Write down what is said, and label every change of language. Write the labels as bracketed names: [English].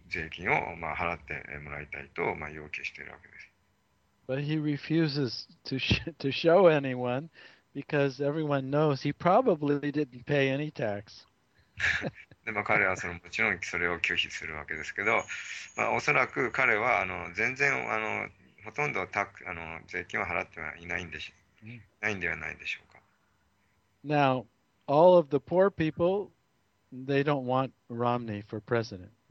[Japanese] で、ですからみんなが、まあ、彼にその、まあ、10年間遡って、税金を、まあ、払ってもらいたいと、まあ、要求しているわけです。 [English] But he refuses to show anyone Because everyone knows he probably didn't pay any tax. [Japanese] で、まあ、彼はそのもちろんそれを拒否するわけですけど、まあ、おそらく彼は全然ほとんどタック税金は払ってはいないんでし、ないんではないでしょうか。 [English] Now, all of the poor people, they don't want Romney for president.